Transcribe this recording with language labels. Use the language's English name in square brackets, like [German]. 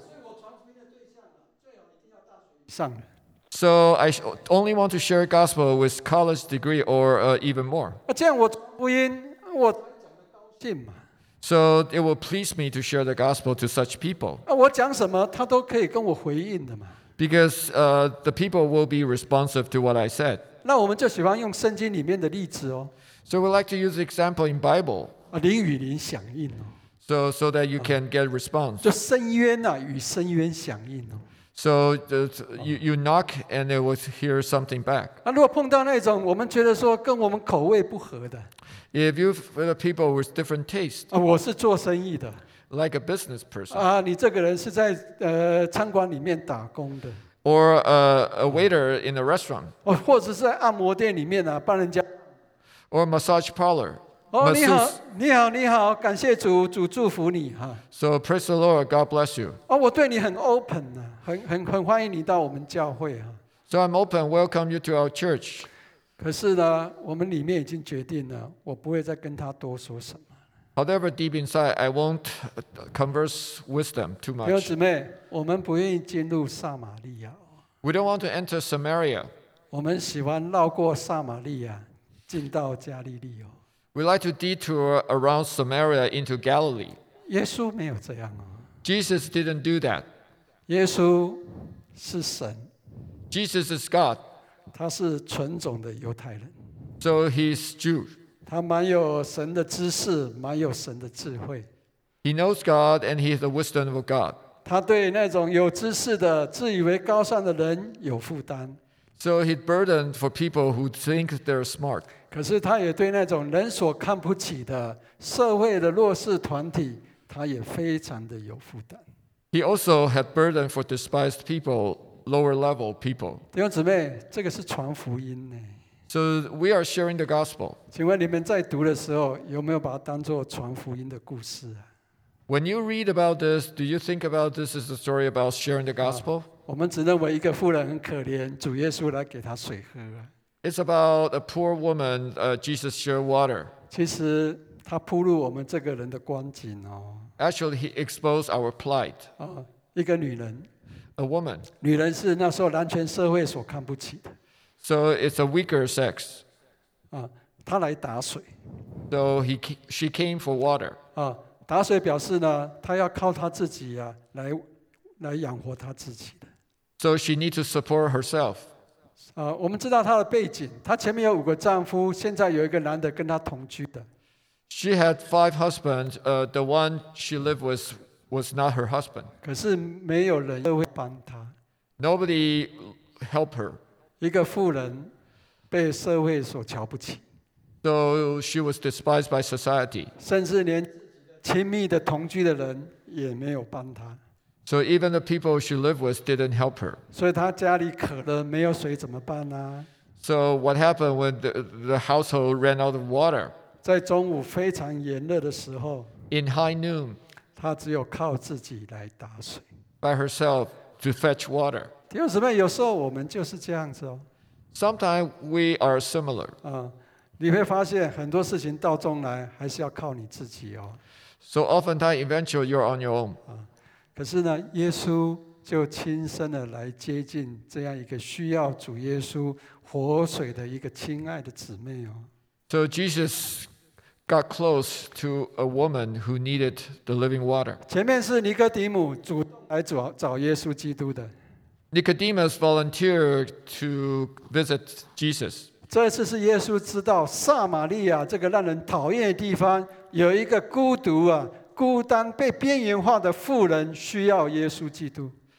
[Chinese] 所以我传福音的对象最好一定要大学以上的。 [English] So I only want to share gospel with college degree or even more. [Chinese] 这样我福音我讲得高兴嘛。 [English] So it will please me to share the gospel to such people. [Chinese] 我讲什么他都可以跟我回应的嘛。 [English] Because the people will be responsive to what I said. [Chinese] 那我们就喜欢用圣经里面的例子哦。 [English] So we like to use the example in Bible. [Chinese] 灵与灵响应哦。 [English] So that you can get response. [Chinese] 就深渊啊与深渊响应哦。 [English] So you knock and it will hear something back. [Chinese] 如果碰到那种我们觉得说跟我们口味不合的。 [English] If you find people with different taste. [Chinese] 我是做生意的。 [English] Like a business person. [Chinese] 你这个人是在餐馆里面打工的。 [English] Or a waiter in a restaurant. [Chinese] 或者是在按摩店里面啊帮人家。 [English] Or a massage parlor. [Chinese] 你好你好你好感谢主主祝福你。 [English] So praise the Lord, God bless you. [Chinese] 我对你很 open 啊。很欢迎你到我们教会啊。 [English] So I'm open, welcome you to our church. [Chinese] 可是呢，我们里面已经决定了，我不会再跟他多说什么。 [English] However, deep inside, I won't converse with them too much. [Chinese] 弟兄姊妹，我们不愿意进入撒玛利亚。 [English] We don't want to enter Samaria. [Chinese] 我们喜欢绕过撒玛利亚，进到加利利哦。 [English] We like to detour around Samaria into Galilee. [Chinese] 耶稣没有这样哦。 [English] Jesus didn't do that. [Chinese] 耶稣是神 [English] Jesus is God. [Chinese] 他是纯种的犹太人 [English] So he's Jew. [Chinese] 他蛮有神的知识，蛮有神的智慧 [English] He knows God and he has the wisdom of God. [Chinese] 他对那种有知识的、自以为高尚的人有负担 [English] So he's burdened for people who think they're smart. [Chinese] 可是他也对那种人所看不起的社会的弱势团体，他也非常的有负担。 [English] He also had burden for despised people, lower level people. [Chinese] 弟兄姊妹，这个是传福音呢。 [English] So we are sharing the gospel. [Chinese] 请问你们在读的时候，有没有把它当作传福音的故事啊？ [English] When you read about this, do you think about this as a story about sharing the gospel? [Chinese] 我们只认为一个妇人很可怜，主耶稣来给她水喝。 [English] It's about a poor woman, Jesus shared water. [Chinese] 其实他铺路我们这个人的光景哦。 [English] Actually, he exposed our plight. [Chinese] 一个女人 [English] a woman. [Chinese] 女人是那时候男权社会所看不起的。 [English] So it's a weaker sex. [Chinese] 她来打水。 [English] So she came for water. [Chinese] 打水表示呢，她要靠她自己呀、啊，来养活她自己的。 [English] So she need to support herself. [Chinese] 我们知道她的背景，她前面有五个丈夫，现在有一个男的跟她同居的。 [English] She had five husbands. The one she lived with was not her husband. [Chinese] 可是没有人会帮她。 [English] Nobody helped her. [Chinese] 一个妇人被社会所瞧不起。 [English] So she was despised by society. [Chinese] 甚至连亲密的同居的人也没有帮她。 [English] So even the people she lived with didn't help her. [Chinese] 所以她家里渴了，没有水怎么办啊？ [English] So what happened when the household ran out of water? [Chinese] 在中午非常炎热的时候 [English] ，In high noon， [Chinese] 她只有靠自己来打水 [English] ，By herself to fetch water。 [Chinese] 弟兄姊妹，有时候我们就是这样子哦。 [English] Sometimes we are similar。 [Chinese] 你会发现很多事情到中来还是要靠你自己哦。 [English] So oftentimes, eventually, you're on your own。 [Chinese] 可是呢，耶稣就亲身的来接近这样一个需要主耶稣活水的一个亲爱的姊妹哦。 [English] So Jesus got close to a woman who needed the living water. [Chinese] 前面是尼哥底母主来找耶稣基督的。 [English] Nicodemus volunteered to visit Jesus. [Chinese] 这次是耶稣知道撒玛利亚这个让人讨厌的地方有一个孤独啊、孤单、被边缘化的妇人需要耶稣基督。